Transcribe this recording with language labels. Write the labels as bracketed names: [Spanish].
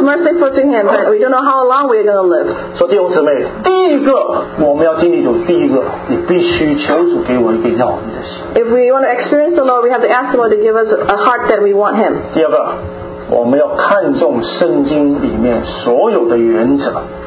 [English] God was merciful to him, but we don't know how long we're going to live. [Chinese] 说弟兄姊妹，第一个我们要经历主，第一个你必须求主给我。 [English] If we want to experience the Lord, we have to ask the Lord to give us a heart that we want Him. [Chinese] 第二个, 我们要看重圣经里面所有的原则。